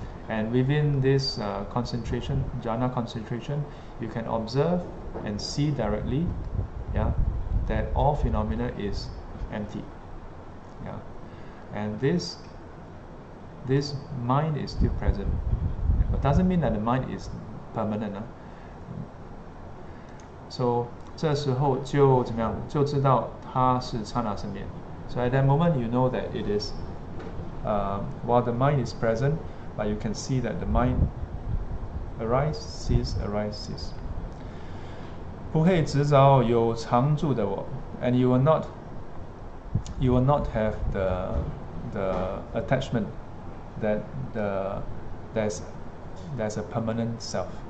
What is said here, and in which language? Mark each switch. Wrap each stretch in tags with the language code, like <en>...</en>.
<en>And within this concentration, jhana concentration, you can observe and see directly, yeah, that all phenomena is empty. Yeah. And this mind is still present. But doesn't mean that the mind is permanent.</en> <zh>So 这时候就怎么样，就知道它是刹那生灭.</zh> <en>So at that moment you know that it is while the mind is present. But you can see that the mind arises.</en> <zh>不会执着有常住的我,</zh> <en>and you will not have the attachment that there's a permanent self.</en>